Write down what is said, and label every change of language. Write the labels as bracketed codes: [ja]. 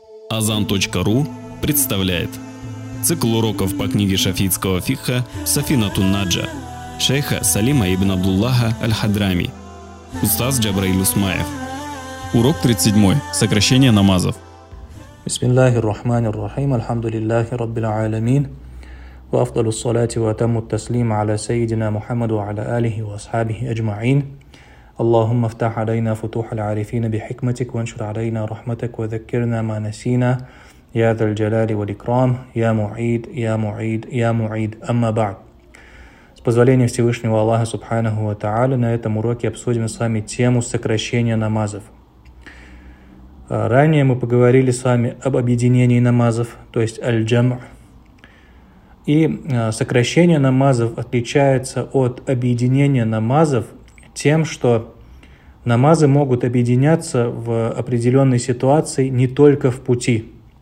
[ru] Azan.ru представляет цикл уроков по книге шафиитского фикха Сафина Тунаджа шейха Салима ибн Абдуллаха Аль-Хадрами, устаз Джабраил Усмаев. Урок 37. Сокращение намазов. [ar] Бисмиллахи ррахмани ррахим, альхамдулиллахи раббил аалямин, ва афдалу ссалати ва атамму ат-таслим аля сайидина Мухаммаду аля алихи ва асхабихи аджмаин. اللهم افتح علينا فتوح العارفين بحكمتك وانشر علينا رحمتك وذكرنا ما نسينا يا ذا الجلال والإكرام يا معيد يا معيد يا معيد أما بعد. [ru] С позволения Всевышнего Аллаха Субханаху ва Тааля, на этом уроке обсудим с вами тему сокращения намазов. Ранее мы поговорили с вами об объединении намазов, то есть аль-джамъ. И сокращение намазов отличается от объединения намазов тем, что намазы могут объединяться в определенной ситуации не только в пути.